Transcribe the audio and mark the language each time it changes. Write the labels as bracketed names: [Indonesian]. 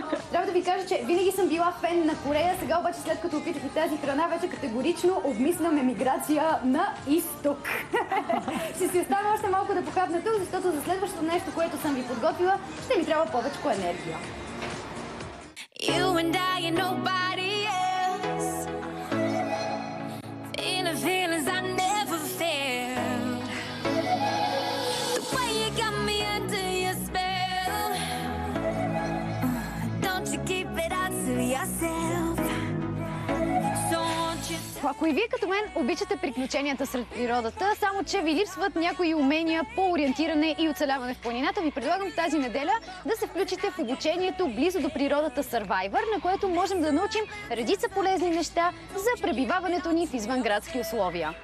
[Bulgarian] Трябва да ви кажа, че винаги съм била фен на Корея. Сега обаче, след като опитах и тази храна, вече категорично обмислям емиграция на изток. Ще си оставя още малко да похапна тук, защото за следващото нещо, което съм ви подготвила, ще ми трябва повече енергия. [English] You and I and nobody else. In the feelings I never felt. The way you got me under your spell. Don't you keep it out to yourself. So won't you... [Bulgarian] Ако и вие като мен обичате приключенията сред природата, само че ви липсват някои умения по ориентиране и оцеляване в планината, ви предлагам тази неделя да се включите в обучението близо до природата Survivor, на което можем да научим редица полезни неща за пребиваването ни в извънградски условия.